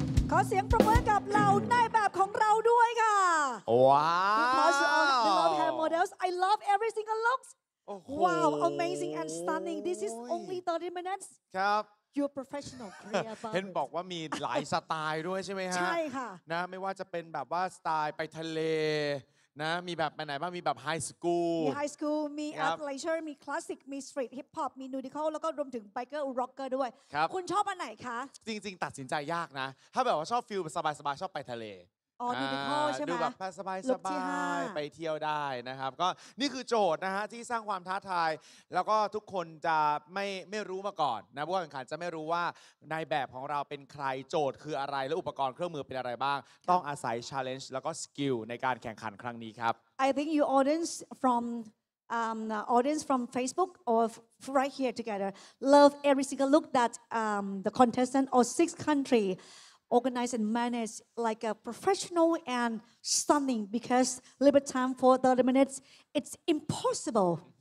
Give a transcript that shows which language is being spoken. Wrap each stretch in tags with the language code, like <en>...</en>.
<th>ขอเสียงปรบมือกับเรานายแบบของเราด้วยค่ะ ว้าว</th> <en>Because of the love hair models I love every single looks wow amazing and stunning this is only 30 minutes</en> <th>ครับ</th> <en>your professional career</en> <th>เห็นบอกว่ามีหลายสไตล์ด้วยใช่ไหมฮะ ใช่ค่ะ นะไม่ว่าจะเป็นแบบว่าสไตล์ไปทะเลนะมีแบบไปไหนบ้างมีแบบไฮสคูล มีไฮสคูลมีแอทเลเชอร์มีคลาสสิกมีสตรีทฮิปฮอปมีนูดิคอลแล้วก็รวมถึงไบเกอร์ร็อกเกอร์ด้วย ครับ คุณชอบอันไหนคะ จริงๆตัดสินใจยากนะถ้าแบบว่าชอบฟิลสบายๆชอบไปทะเล อ๋อ ดูแบบสบายสบายไปเที่ยวได้นะครับก็นี่คือโจทย์นะฮะที่สร้างความท้าทายแล้วก็ทุกคนจะไม่รู้มาก่อนนะผู้แข่งขันจะไม่รู้ว่านายแบบของเราเป็นใครโจทย์คืออะไรและอุปกรณ์เครื่องมือเป็นอะไรบ้างต้องอาศัย challenge แล้วก็ skill ในการแข่งขันครั้งนี้ครับ</th> <en>I think you audience from audience from Facebook or right here together love every single look that the contestant or six countryorganize and manage like a professional and stunning because limited time for 30 minutes it's impossible</en>